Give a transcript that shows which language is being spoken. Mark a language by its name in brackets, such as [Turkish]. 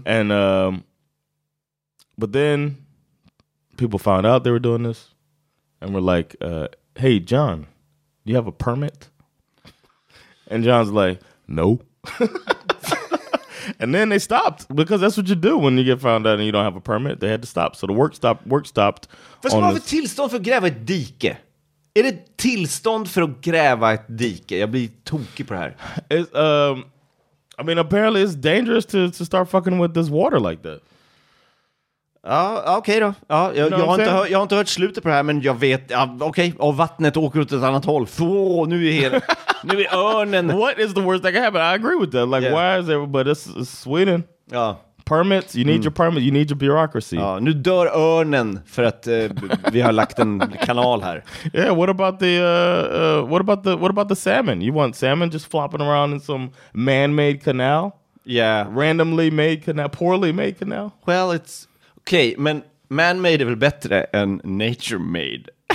[English] And but then people found out they were doing this and were like, hey, John, do you have a permit? And John's like, no. And then they stopped because that's what you do when you get found out and you don't have a permit. They had to stop. So the work stopped. [Swedish] Fast man har väl tillstånd för att gräva ett dike? Är det tillstånd för att gräva ett dike? Jag blir tokig på det här. [English] I mean, apparently it's dangerous to start fucking with this water like that. [Swedish] Ja, okej då. Ja, jag har inte hört slutet på det här, men jag vet. Ja, okej, och vattnet åker åt ett annat håll. Nu är det. Nu är örnen. [English] What is the worst that can happen? I agree with that. Like, why is everybody? This is Sweden. [Swedish] Ja. [English] Permits, you need your permit, you need your bureaucracy. [Swedish] Ja, nu dör örnen för att vi har lagt en kanal här. [English] Yeah, what about the salmon? You want salmon just flopping around in some man-made canal? Yeah. Randomly made canal, poorly made canal? Well, it's... [Swedish] Okej, men man-made är väl bättre än nature-made?